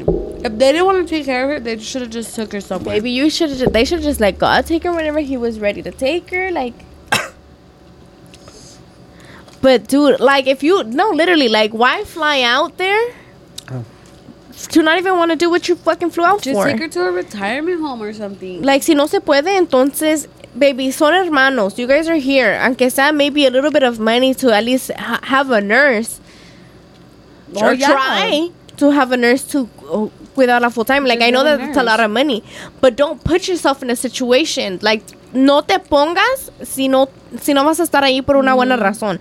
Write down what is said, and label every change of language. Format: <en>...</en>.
<en>If they didn't want to take care of her, they should have just took her somewhere. Maybe you should have. They should have just let God take her whenever he was ready to take her. Like, but dude, like, if you no, literally, like, why fly out there? To not even want to do what you fucking flew out just for. Just take her to a retirement home or something.</en> <es>Like, si no se puede, entonces, baby, son hermanos.</es> <en>You guys are here.</en> <es>Aunque sea</es> <en>maybe a little bit of money to at least have a nurse. Oh, or yeah. Try to have a nurse to without a full-time. Like, I know that's a lot of money. But don't put yourself in a situation. Like,</en> <es>no te pongas si no vas a estar ahí por una buena razón.</es>